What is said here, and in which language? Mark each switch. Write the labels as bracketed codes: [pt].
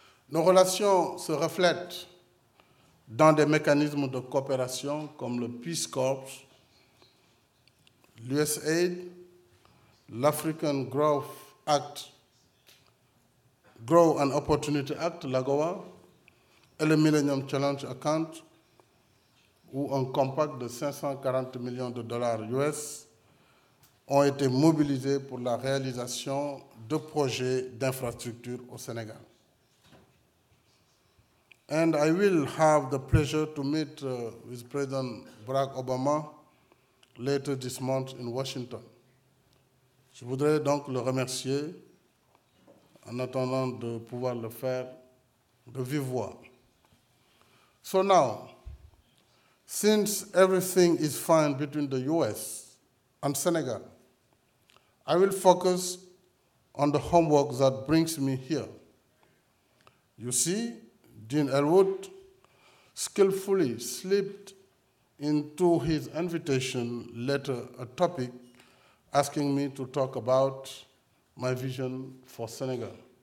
[fr] Nos relations se reflètent dans des mécanismes de coopération comme le Peace Corps, l'USAID, l'African Growth and Opportunity Act, l'AGOA, et le Millennium Challenge Account, ou un compact de 540 millions de dollars US, ont été mobilisés pour la réalisation de projets d'infrastructure au Sénégal. [en] And I will have the pleasure to meet with President Barack Obama later this month in Washington. [fr] Je voudrais donc le remercier en attendant de pouvoir le faire de vive voix. [en] So now, since everything is fine between the US and Senegal, I will focus on the homework that brings me here. You see, Dean Elwood skillfully slipped into his invitation letter a topic asking me to talk about my vision for Senegal.